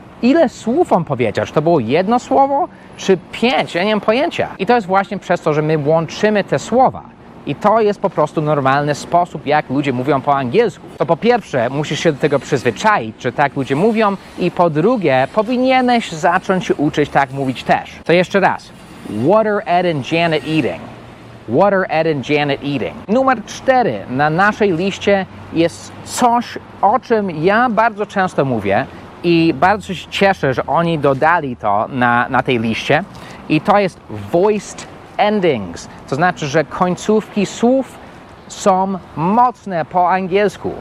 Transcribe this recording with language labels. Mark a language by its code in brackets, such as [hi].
[pl] Ile słów on powiedział? Czy to było jedno słowo? Czy pięć? Ja nie mam pojęcia. I to jest właśnie przez to, że my łączymy te słowa. I to jest po prostu normalny sposób, jak ludzie mówią po angielsku. To po pierwsze, musisz się do tego przyzwyczaić, czy tak ludzie mówią. I po drugie, powinieneś zacząć się uczyć tak mówić też. To jeszcze raz. [en] What are Ed and Janet eating? What are Ed and Janet eating? [pl] Numer 4 na naszej liście jest coś, o czym ja bardzo często mówię i bardzo się cieszę, że oni dodali to na tej liście. I to jest [en] voiced endings. [pl] To znaczy, że końcówki słów są mocne po angielsku.